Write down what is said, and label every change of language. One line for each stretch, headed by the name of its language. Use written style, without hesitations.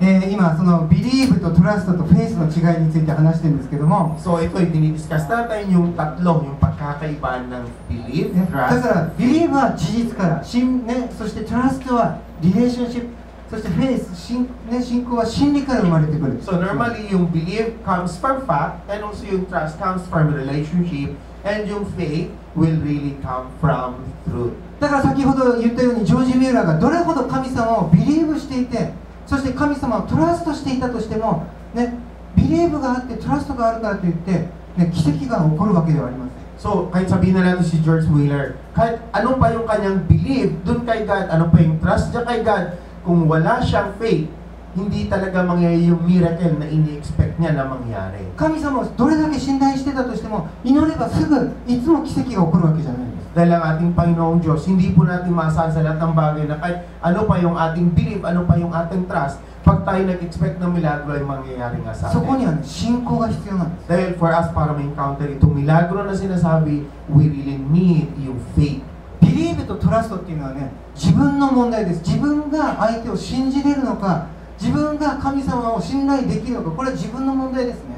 Japanese: 今そのビリーブとトラストとフェイスの違いについて話してるんですけども。
Filipino: So, ito yung dinidiscuss natin yung tatlong yung pagkakaiba ng belief, trust.
Japanese: だからビリーブは事実から、信ね、そしてトラストはリレーションシップ、そしてフェイス、信ね、信仰は真理から生まれてくる。
English: So normally, yung belief comes from fact, and also yung trust comes from relationship, and yung faith will really come from truth.
Japanese: だから先ほど言ったようにジョージ・ミューラーがどれほど神様をビリーブしていて、そして神様をトラストしていたとしても、ね、ビリーブがあってトラストがあるからといって、ね、奇跡が起こるわけではありません。
Filipino: So, kahit sabihin na natin si George Wheeler, kahit ano pa yung kanyang belief, dun kay God, ano pa yung trust niya kay God,kung wala siyang faith, hindi talaga mangyayari yung miracle na ini-expect niya na mangyari.
Japanese: 神様をどれだけ信頼してたとしても、祈ればすぐいつも奇跡が起こるわけじゃないんです。
Filipino: dahil ang ating Panginoong Diyos, hindi po natin masasaan sa lahat ng bagay na kahit ano pa yung ating belief, ano pa yung ating trust, pag tayo nag-expect ng milagro ay mangyayari nga sa atin.
Japanese: そこには信仰が必要なんです。
Filipino: dahil for us, para ma-encounter itong milagro na sinasabi,
English: we really need
Filipino: yung faith.
Japanese: Believe と trust っていうのはね、自分の問題です。自分が相手を信じれるのか、自分が神様を信頼できるのか、これは自分の問題ですね。